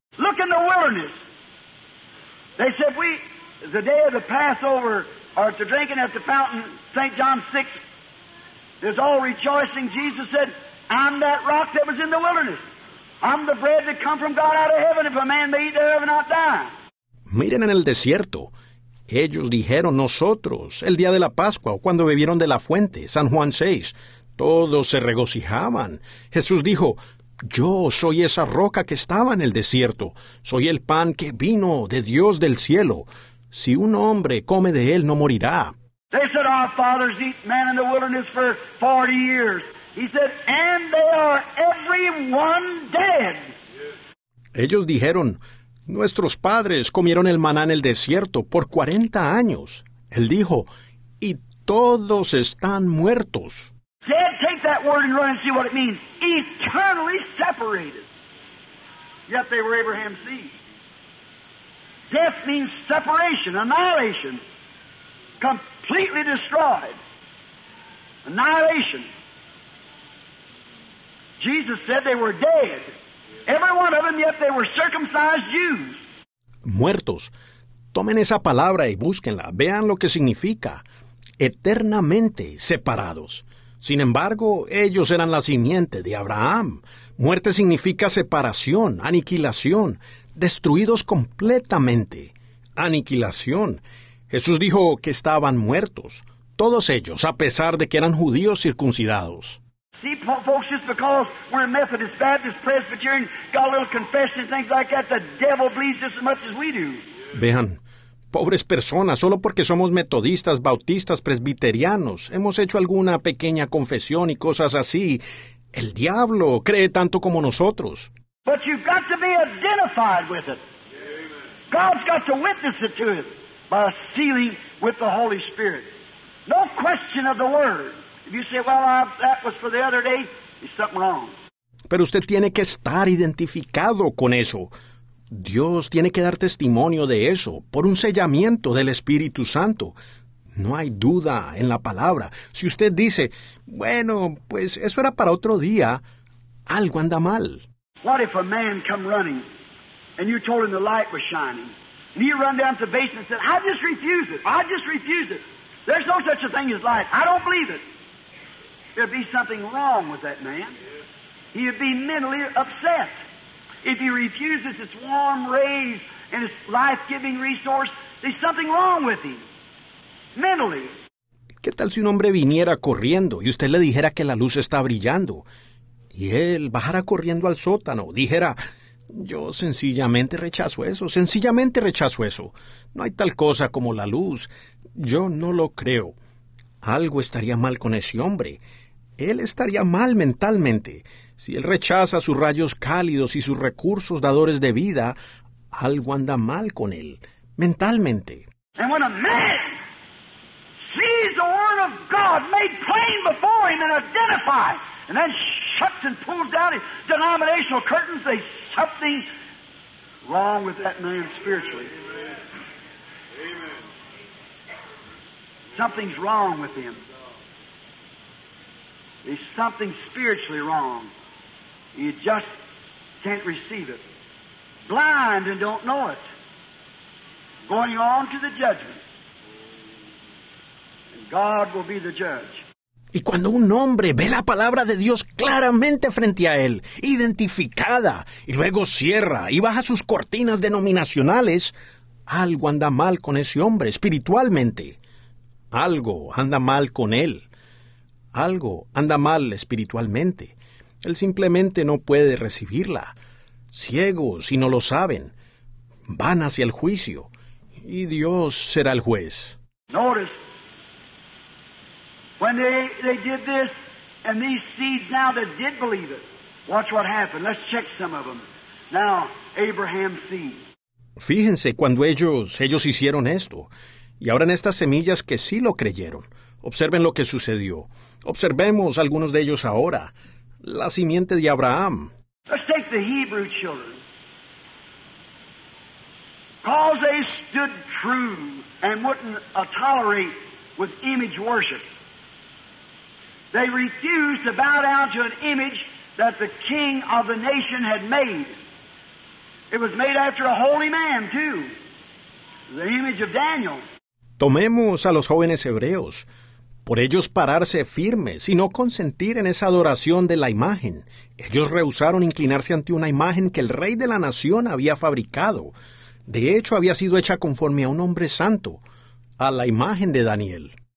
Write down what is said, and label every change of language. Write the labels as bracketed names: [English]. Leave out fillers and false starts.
[English] Look in the wilderness. They said, we, the day of the Passover, are to drinking at the fountain, St. John 6, there's all rejoicing. Jesus said, I'm that rock that was in the wilderness. I'm the bread that come from God out of heaven. If a man may eat thereof and not die. [Spanish] Miren en el desierto. Ellos dijeron, nosotros, el día de la Pascua, cuando bebieron de la fuente, San Juan 6, todos se regocijaban. Jesús dijo, yo soy esa roca que estaba en el desierto. Soy el pan que vino de Dios del cielo. si un hombre come de él, no morirá. [English] They said, our fathers eat man in the wilderness for 40 years. He said, and they are every one dead. [Spanish] Ellos dijeron, nuestros padres comieron el maná en el desierto por 40 años. Él dijo, y todos están muertos. [English] Dead, take that word and run and see what it means. Eternally separated. Yet they were Abraham's seed. Death means separation, annihilation. Completely destroyed. Annihilation. Jesus said they were dead. Every one of them, yet they were circumcised Jews. [Spanish] Muertos. Tomen esa palabra y búsquenla. Vean lo que significa. Eternamente separados. Sin embargo, ellos eran la simiente de Abraham. Muerte significa separación, aniquilación. Destruidos completamente. Aniquilación. Jesús dijo que estaban muertos. Todos ellos, a pesar de que eran judíos circuncidados. [English] See, folks, just because we're Methodist, Baptist, Presbyterian, got a little confession and things like that, the devil bleeds just as much as we do. [Spanish] Vean, pobres personas, solo porque somos metodistas, bautistas, presbiterianos, hemos hecho alguna pequeña confesión y cosas así, el diablo cree tanto como nosotros. [English] But you've got to be identified with it. God's got to witness it to it by sealing with the Holy Spirit. No question of the word. If you say, well, that was for the other day, there's something wrong. [Spanish] Pero usted tiene que estar identificado con eso. Dios tiene que dar testimonio de eso por un sellamiento del Espíritu Santo. No hay duda en la palabra. Si usted dice, bueno, pues eso era para otro día, algo anda mal. [English] What if a man come running and you told him the light was shining and he run down to the basement and said, I just refuse it. I just refuse it. There's no such a thing as light. I don't believe it. There'd be something wrong with that man. He'd be mentally upset. If he refuses its warm rays and its life-giving resource, there's something wrong with him, mentally. [Spanish] ¿Qué tal si un hombre viniera corriendo y usted le dijera que la luz está brillando? Y él bajara corriendo al sótano, dijera, yo sencillamente rechazo eso, sencillamente rechazo eso. No hay tal cosa como la luz. Yo no lo creo. Algo estaría mal con ese hombre. Él estaría mal mentalmente. Si él rechaza sus rayos cálidos y sus recursos dadores de vida, algo anda mal con él, mentalmente. [English] And when a man sees the word of God made plain before him and identifies, and then shuts and pulls down his denominational curtains, there's something wrong with that man spiritually. Amen. Something's wrong with him. There's something spiritually wrong. You just can't receive it. Blind and don't know it. Going on to the judgment. And God will be the judge. [Spanish] Y cuando un hombre ve la palabra de Dios claramente frente a él, identificada, y luego cierra y baja sus cortinas denominacionales, algo anda mal con ese hombre espiritualmente. Algo anda mal con él. Algo anda mal espiritualmente. Él simplemente no puede recibirla. Ciegos, y no lo saben, van hacia el juicio, y Dios será el juez. [English] Notice, when they did this, and these seeds now that did believe it, watch what happened. Let's check some of them. Now, Abraham's seed. [Spanish] Fíjense cuando ellos hicieron esto, y ahora en estas semillas que sí lo creyeron, observen lo que sucedió. Observemos algunos de ellos ahora. La simiente de Abraham. [English] Let's take the Hebrew children. Because they stood true and wouldn't tolerate with image worship. They refused to bow down to an image that the king of the nation had made. It was made after a holy man, too. The image of Daniel. [Spanish] Tomemos a los jóvenes hebreos. Por ellos pararse firmes y no consentir en esa adoración de la imagen. Ellos rehusaron inclinarse ante una imagen que el rey de la nación había fabricado. De hecho, había sido hecha conforme a un hombre santo, a la imagen de Daniel.